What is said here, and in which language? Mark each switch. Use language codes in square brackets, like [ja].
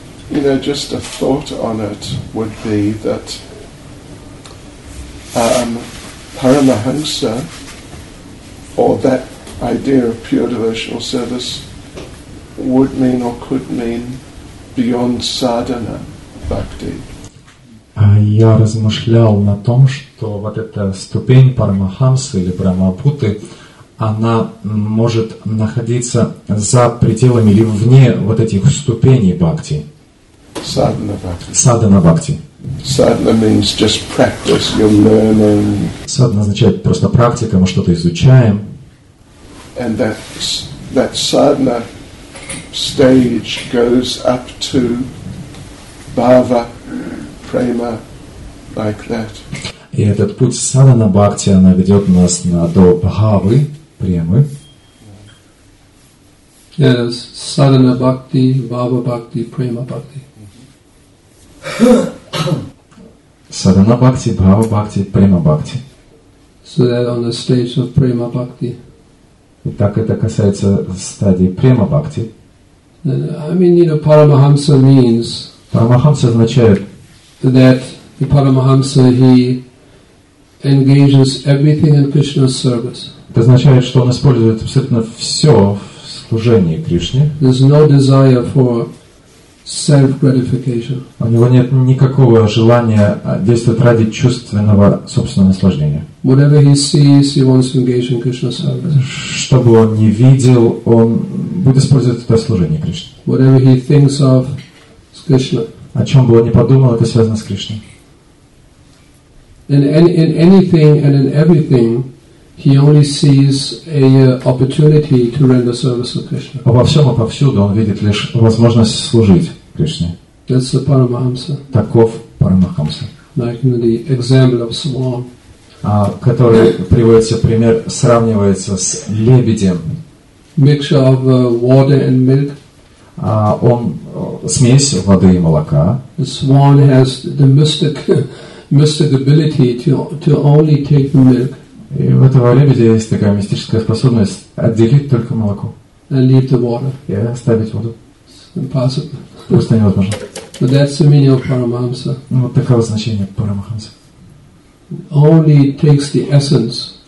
[en] You know, just a thought on it would be that Paramahamsa, or that idea of pure devotional service, would mean or could mean beyond sadhana, bhakti. [ru] Я размышлял на том, что вот эта ступень Парамахамсы или Брахмапуты, она может находиться за пределами или вне вот этих ступеней бхакти. [sa] Sadhana bhakti. [en] Sadhana means just practice, you're learning. [ru] Sadhana означает просто практика, мы что-то изучаем. [en] And that sadhana stage goes up to bhava, prema, like that. [ru] И этот путь sadhana bhakti, она ведет нас до бхавы, премы. [sa] Yes, sadhana bhakti, bhava bhakti, prema bhakti. Sadhana bhakti, bhava bhakti, prema bhakti. [en] So that on the stage of prema bhakti. [ru] Итак, это касается стадии prema bhakti. [en] I mean, you know, Paramahamsa means. [ru] Paramahamsa означает [en] that the Paramahamsa, he engages everything in Krishna's service. [ru] Это означает, что он использует абсолютно все в служении Кришне. [en] There's no desire for self-gratification. [ru] У него нет никакого желания действовать ради чувственного собственного наслаждения. [en] Whatever he sees, he wants to engage in Krishna's service. [ru] Что бы он ни видел, он будет использовать это в служении Кришне. [en] Whatever he thinks of, it's Krishna. [ru] О чем бы он ни подумал, это связано с Кришной. [en] In anything and in everything, he only sees a opportunity to render service to Krishna. [ru] Во всем и повсюду он видит лишь возможность служить Кришне. [en] That's the Paramahamsa. [ru] Таков Парамахамса. [en] Like in the example of swan. [ru] Который приводится в пример, сравнивается с лебедем. [en] Mixture of water and milk. [ru] Он смесь воды и молока. [en] The swan has the mystic ability to only take the milk. [ru] И у этого лебедя есть такая мистическая способность отделить только молоко. [en] And leave the water. [ru] И оставить воду. [en] It's impossible. [ru] Просто невозможно. [en] But that's the meaning of Paramahamsa. [ru] Вот такое значение Парамахамса. [en] Only takes the essence.